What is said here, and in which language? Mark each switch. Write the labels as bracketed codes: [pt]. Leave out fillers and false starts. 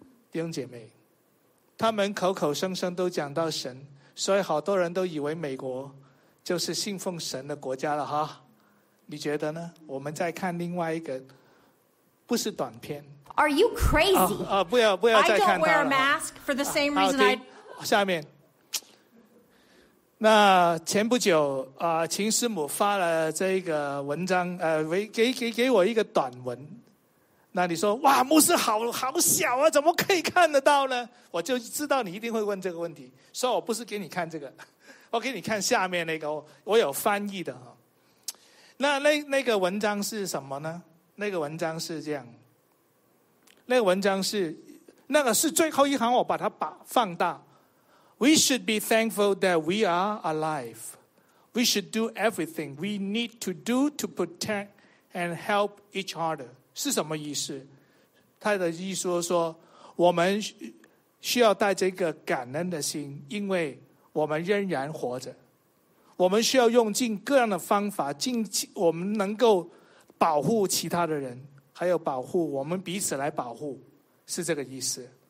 [zh] 弟兄姐妹，他们口口声声都讲到神，所以好多人都以为美国就是信奉神的国家了哈。你觉得呢？我们再看另外一个，不是短片。 [en] Are you crazy? [zh] 不要再看他了。 [en] I don't wear a mask for the same reason. [zh] 下面，那前不久啊，秦师母发了这个文章，给我一个短文，那你说哇，牧师好小啊，怎么可以看得到呢？我就知道你一定会问这个问题，所以我不是给你看这个，我给你看下面那个，我有翻译的。那个文章是什么呢？那个文章是这样，那个文章是那个是最后一行，我把它放大。 [en] We should be thankful that we are alive. We should do everything we need to do to protect and help each other. [zh] 是什么意思？他的意思说我们需要带着一个感恩的心，因为我们仍然活着，我们需要用尽各样的方法，尽我们能够保护其他的人，还有保护我们彼此来保护，是这个意思。